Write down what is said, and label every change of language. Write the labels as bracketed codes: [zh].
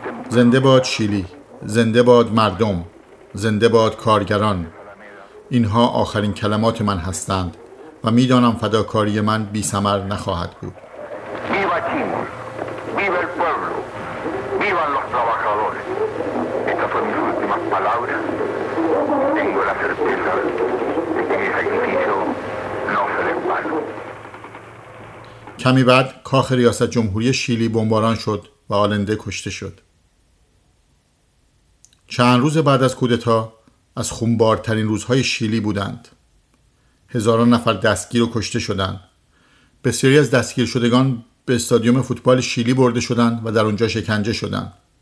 [fa] زنده باد شیلی، زنده باد مردم، زنده باد کارگران. اینها آخرین کلمات من هستند و می دانم فداکاری من بی ثمر نخواهد بود. [es] ویوا چیمول، ویوا ال پوبلو، ویوا لوس ترابخادورس. Estas fueron mis últimas palabras. Tengo la certeza de que mi sacrificio no será en vano. [fa] کمی بعد کاخ ریاست جمهوری شیلی بمباران شد و آلنده کشته شد. چند روز بعد از کودتا از خونبارترین روزهای شیلی بودند. هزاران نفر دستگیر و کشته شدند. بسیاری از دستگیر شدگان به استادیوم فوتبال شیلی برده شدند و در اونجا شکنجه شدند.